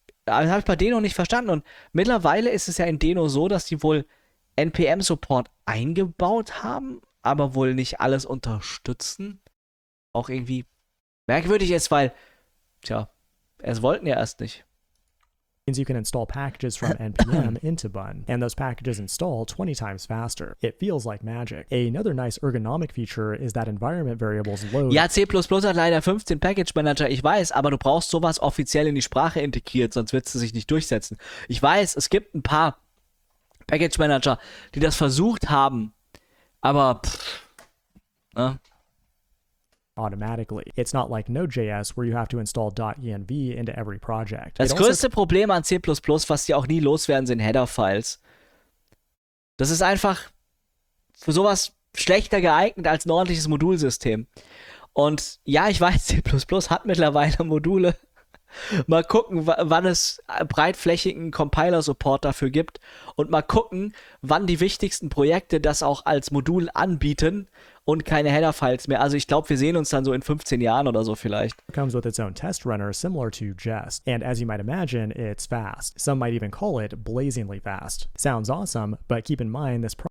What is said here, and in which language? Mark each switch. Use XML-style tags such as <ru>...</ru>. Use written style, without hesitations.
<de>Das habe ich bei Deno nicht verstanden. Und mittlerweile ist es ja in Deno so, dass die wohl NPM-Support eingebaut haben, aber wohl nicht alles unterstützen. Auch irgendwie merkwürdig ist, weil, tja, es wollten ja erst nicht.</de> <en>You can install packages from NPM into Bun, and those packages install 20 times faster. It feels like magic. Another nice ergonomic feature is that environment variables load.</en> <de>Ja, C++ hat leider 15 Package Manager, ich weiß, aber du brauchst sowas offiziell in die Sprache integriert, sonst wird es sich nicht durchsetzen. Ich weiß, es gibt ein paar Package Manager, die das versucht haben, aber ne?</de> <en>Automatically. It's not like Node.js where you have to install .env into every project.</en> <de>Das größte Problem an C++, was die auch nie loswerden, sind Header-Files. Das ist einfach für sowas schlechter geeignet als ein ordentliches Modulsystem. Und ja, ich weiß, C++ hat mittlerweile Module. Mal gucken, wann es breitflächigen Compiler-Support dafür gibt. Und mal gucken, wann die wichtigsten Projekte das auch als Modul anbieten. Und keine Header-Files mehr. Also ich glaube, wir sehen uns dann so in 15 Jahren oder so vielleicht.</de> <en>Comes with its own test runner similar to Jest. And as you might imagine, it's fast. Some might even call it blazingly fast. Sounds awesome, but keep in mind this...</en>